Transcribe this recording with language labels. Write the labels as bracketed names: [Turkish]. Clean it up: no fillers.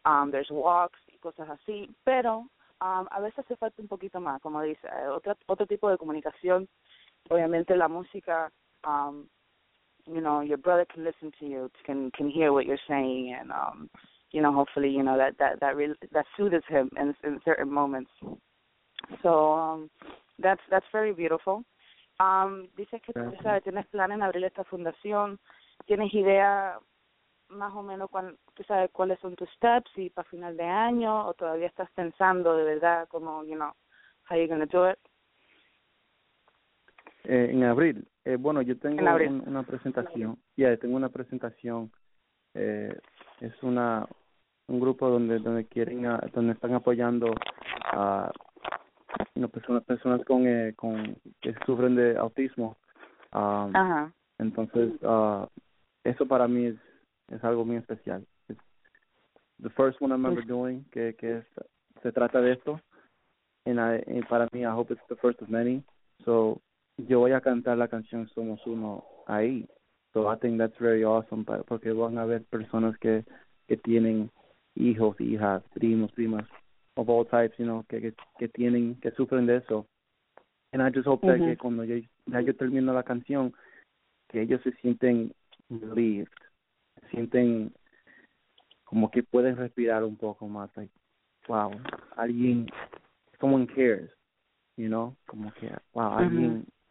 [English] There's walks [Spanish] y cosas así, pero a veces hace falta un poquito más, como dice, otro tipo de comunicación. Obviamente la música, [English] you know, your brother can listen to you, can hear what you're saying, and you know, hopefully, you know, that soothes him in certain moments. So that's very beautiful. [Spanish] Dices que tú sabes, tienes plan en abrir esta fundación, tienes idea más o menos tú sabes cuáles son tus steps y para final de año, o todavía estás pensando de verdad como, [English] you know, how you're gonna do it. [Spanish] En abril, bueno, yo tengo una presentación. Ya, yeah, tengo una presentación. Es un grupo donde quieren, donde están apoyando a personas con que sufren de autismo. Entonces, eso para mí es algo muy especial. [English] It's the first one I remember doing, [Spanish] que es, se trata de esto. Y para mí, [English] I hope it's the first of many. [Spanish] So yo voy a cantar la canción Somos Uno ahí. [English] So I think that's very awesome, [Spanish] porque van a ver personas que tienen hijos, hijas, primos, primas, [English] of all types, you know, [Spanish] que tienen, que sufren de eso. [English] And I just hope that [Spanish] que cuando yo termino la canción, que ellos se sienten relieved, se sienten como que pueden respirar un poco más, like, wow, alguien, [English] someone cares, you know, [Spanish] como que, wow, alguien...